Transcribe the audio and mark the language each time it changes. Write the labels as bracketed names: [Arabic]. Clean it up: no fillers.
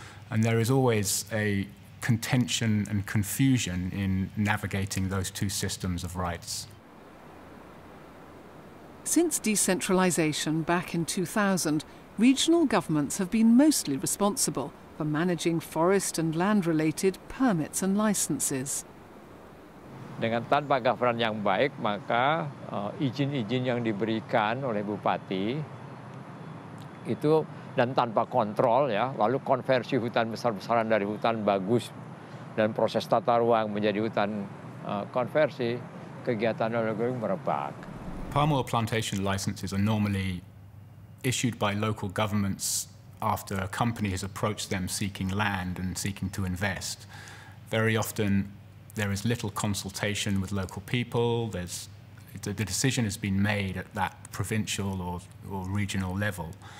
[English] And there is always a contention and confusion in navigating those two systems of rights. Since decentralization back in 2000, regional governments have been mostly responsible for managing forest and land-related permits and licenses. [Indonesian] Dengan tanpa governance yang baik, maka izin-izin yang diberikan oleh bupati itu dan tanpa kontrol ya, lalu konversi hutan besar-besaran dari hutan bagus dan proses tata ruang menjadi hutan konversi, kegiatan ongoing merebak. [English] Palm oil plantation licenses are normally issued by local governments after a company has approached them seeking land and seeking to invest. Very often there is little consultation with local people. The decision has been made at that provincial or regional level.